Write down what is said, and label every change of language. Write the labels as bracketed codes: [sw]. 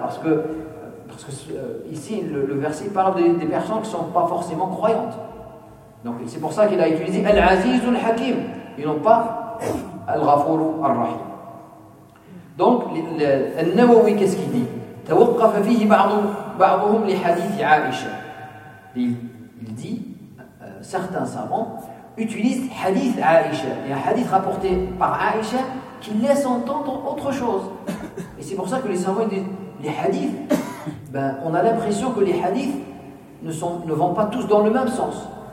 [fr] Parce que ici, le verset parle des personnes qui ne sont pas forcément croyantes. Donc c'est pour ça qu'il a utilisé al-Aziz al-Hakim. Ils n'ont pas al-Ghafur al-Rahim. Donc, al-Nawawi, qu'est-ce qu'il dit ? [ar] توقف فيه بعضهم لحديث عائشة. [fr] Il dit, certains savants utilisent hadith عائشة. Il y a un hadith rapporté par عائشة qui laisse entendre autre chose. Et c'est pour ça que les savants disent, les hadiths, ben, on a l'impression que les hadiths ne vont pas tous dans le même sens.